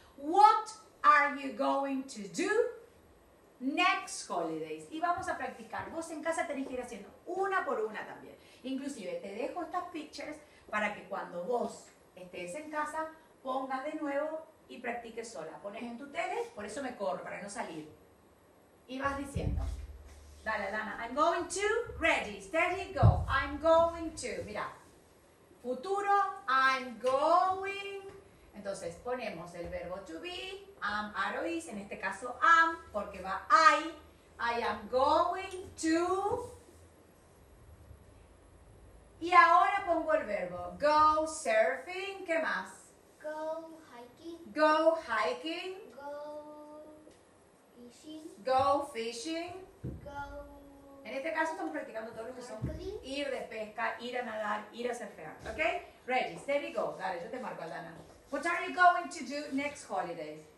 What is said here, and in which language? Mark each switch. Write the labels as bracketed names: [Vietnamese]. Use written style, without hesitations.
[English] What are you going to do next holidays? [Spanish] Y vamos a practicar. Vos en casa tenés que ir haciendo una por una también. Inclusive te dejo estas pictures para que cuando vos estés en casa pongas de nuevo y practiques sola. Pones en tu tele, por eso me corro, para no salir. Y vas diciendo. Dale, [English] Lana. I'm going to, ready, steady, go. I'm going to, mira. Futuro, I'm going. [Spanish] Entonces ponemos el verbo to be, am, are, is, en este caso am, porque va I am going to. Y ahora pongo el verbo go surfing, ¿qué más? [English] Go hiking. Go hiking. Go fishing. Go fishing. Go. [Spanish] En este caso estamos practicando todo lo que son ir de pesca, ir a nadar, ir a surfear, ¿ok? [English] Ready, steady, go. [Spanish] Dale, yo te marco, Aldana. [English] What are you going to do next holidays?